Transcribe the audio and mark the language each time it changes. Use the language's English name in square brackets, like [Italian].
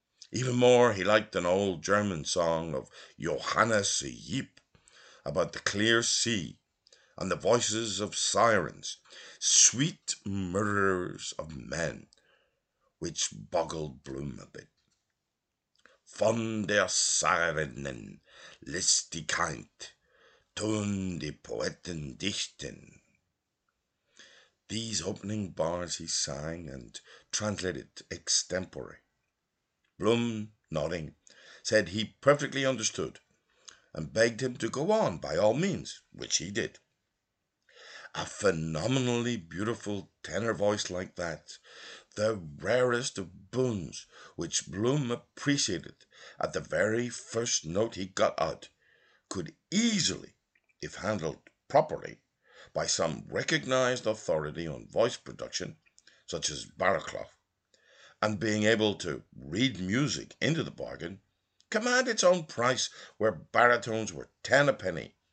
[English] Even more, he liked an old German song of Johannes Yip about the clear sea and the voices of sirens, sweet murderers of men, which boggled Bloom a bit. [German] Von der Sirenen Listigkeit tun die Poeten dichten. [English] These opening bars he sang and translated extempore. Bloom, nodding, said he perfectly understood and begged him to go on by all means, which he did. A phenomenally beautiful tenor voice like that, the rarest of boons, which Bloom appreciated at the very first note he got out, could easily, if handled properly by some recognized authority on voice production, such as Barraclough, and being able to read music into the bargain, command its own price where baritones were 10 a penny,